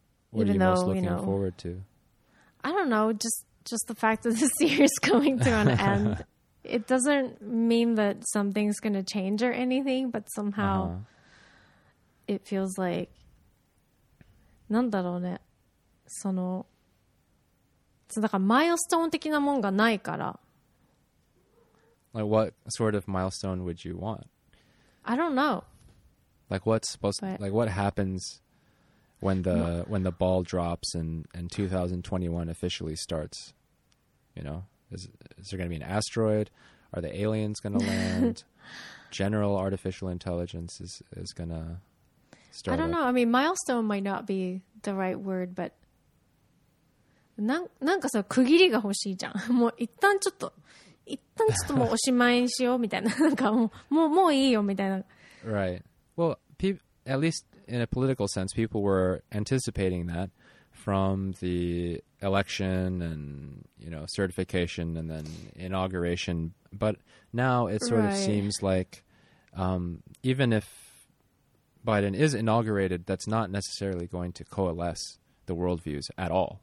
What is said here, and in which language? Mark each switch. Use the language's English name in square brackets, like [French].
[English] What are you most looking forward to? I don't know. Just the fact that this year is coming to an end. It doesn't mean that something's going to change or anything, but somehow it feels like, [Japanese] なんだろうね。その、そのだからマイルストーン的なもんがないから。 [English] Like what sort of milestone would you want? I don't know. Like what's supposed to, like what happens when the ball drops and 2021 officially starts? You know, is there going to be an asteroid? Are the aliens going to land? general artificial intelligence is going to start. I don't know. I mean, milestone might not be the right word, but [Japanese] なんかさ、区切りが欲しいじゃん。もう一旦ちょっともうおしまいにしようみたいな。なんかもういいよみたいな。 [English] Right. Well, at least in a political sense, people were anticipating that from the election and, you know, certification and then inauguration. But now it sort of seems like even if Biden is inaugurated, that's not necessarily going to coalesce the worldviews at all.